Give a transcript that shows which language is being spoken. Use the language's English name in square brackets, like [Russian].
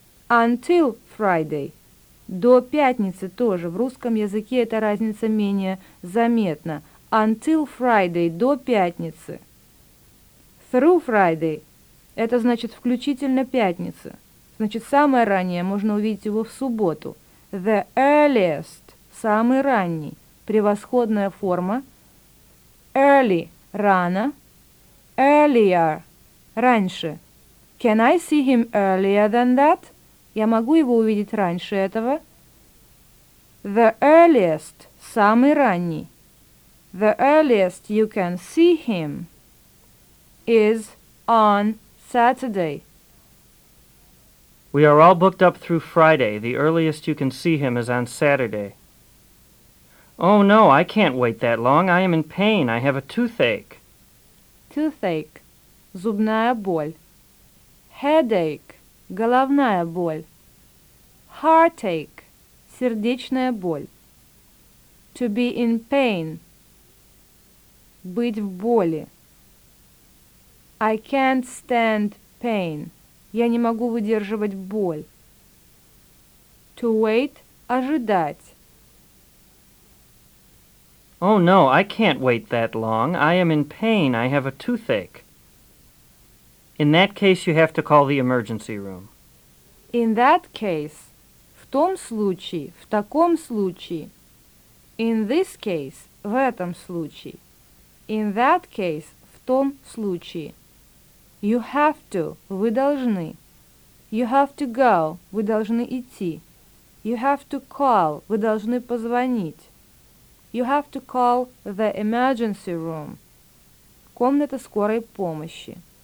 [English] Until Friday. [Russian] До пятницы тоже. В русском языке эта разница менее заметна. [English] Until Friday. [Russian] До пятницы. [English] Through Friday. [Russian] Это значит включительно пятница. В Значит, самое раннее можно увидеть его в субботу. [English] The earliest – [Russian] самый ранний. Превосходная форма. [English] Early [Russian] – рано. [English] Earlier – [Russian] раньше. [English] Can I see him earlier than that? [Russian] Я могу его увидеть раньше этого. [English] The earliest – [Russian] самый ранний. [English] The earliest you can see him is on Saturday. We are all booked up through Friday. The earliest you can see him is on Saturday. Oh no, I can't wait that long. I am in pain. I have a toothache. Toothache. [Russian] Зубная боль. [English] Headache. [Russian] Головная боль. [English] Heartache. [Russian] Сердечная боль. [English] To be in pain. [Russian] Быть в боли. [English] I can't stand pain. [Russian] Я не могу выдерживать боль. [English] To wait [Russian] – ожидать. [English] Oh no, I can't wait that long. I am in pain. I have a toothache. In that case, you have to call the emergency room. In that case [Russian] – в том случае, в таком случае. [English] In this case – [Russian] в этом случае. [English] In that case – [Russian] в том случае. [English] You have to – [Russian] вы должны. [English] You have to go – [Russian] вы должны идти. [English] You have to call – [Russian] вы должны позвонить. [English] You have to call the emergency room – [Russian] комната скорой помощи.